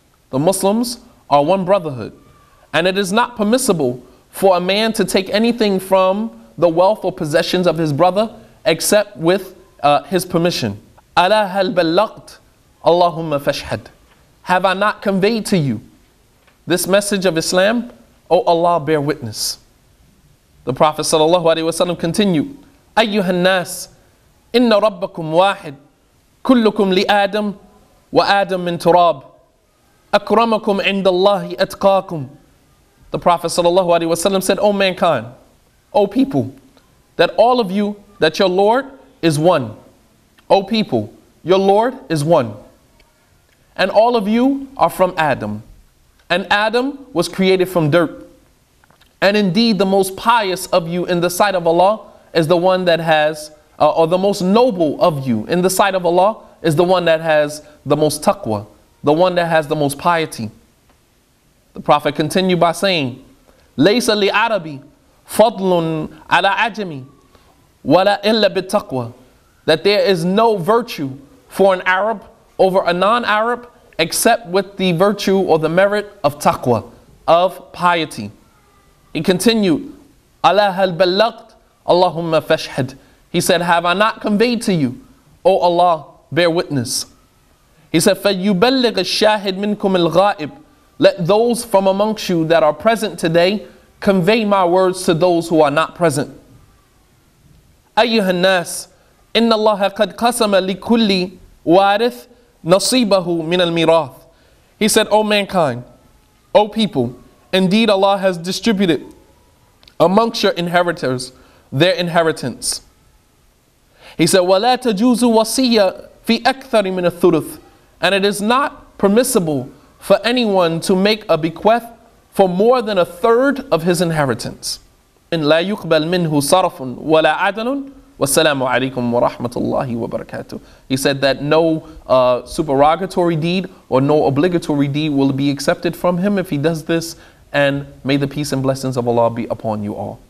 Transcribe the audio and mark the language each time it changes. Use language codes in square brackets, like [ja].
[en] The Muslims are one brotherhood. And it is not permissible for a man to take anything from the wealth or possessions of his brother except with his permission. [ar] أَلَا هَلْ بَلَّغْتْ اللَّهُمَّ فَشْحَدْ. [en] Have I not conveyed to you this message of Islam? O Allah, bear witness. The Prophet sallallahu alaihi wasallam continued, [ar] أَيُّهَا النَّاسِ إِنَّ رَبَّكُمْ وَاحِدْ كُلُّكُمْ لِآدَمْ وَآدَمْ مِنْ تُرَابْ أَكْرَمَكُمْ عِنْدَ اللَّهِ أَتْقَاكُمْ. [en] The Prophet sallallahu alaihi wasallam said, O mankind, O people, that all of you, that your Lord is one. O people, your Lord is one. And all of you are from Adam. And Adam was created from dirt. And indeed, the most pious of you in the sight of Allah is the one that has, or the most noble of you in the sight of Allah is the one that has the most taqwa, the one that has the most piety. The Prophet continued by saying, [ar] لَيْسَ لِعَرَبِي فَضْلٌ عَلَىٰ عَجَمِي وَلَا إِلَّا بِالتَّقْوَى. [en] That there is no virtue for an Arab over a non-Arab except with the virtue or the merit of taqwa, of piety. He continued, [ar] أَلَا هَلْ بَلَّغْتْ اللَّهُمَّ فَشْحَدْ. [en] He said, have I not conveyed to you, O Allah, bear witness. He said, [ar] فَيُبَلِّغَ الشَّاهِدْ مِنْكُمْ الْغَائِبْ. [en] Let those from amongst you that are present today convey my words to those who are not present. [ar] أَيُّهَا النَّاسِ إِنَّ اللَّهَ قَدْ قَسَمَ لِكُلِّ وَارِثْ نَصِيبَهُ مِنَ الْمِيرَاثِ. [en] He said, O mankind, O people, indeed Allah has distributed amongst your inheritors their inheritance. He said, [ar] وَلَا تَجُوزُ وَصِيَّ فِي أَكْثَرِ مِنَ الثُّلُثِ. [en] And it is not permissible for anyone to make a bequest for more than a third of his inheritance. [ar] إِنْ لَا يُقْبَلْ مِنْهُ صَرَفٌ وَلَا عَدَلٌ وَالسَّلَامُ عَلَيْكُمْ وَرَحْمَةُ اللَّهِ وَبَرَكَاتُهُ. [en] He said that no supererogatory deed or no obligatory deed will be accepted from him if he does this, and may the peace and blessings of Allah be upon you all.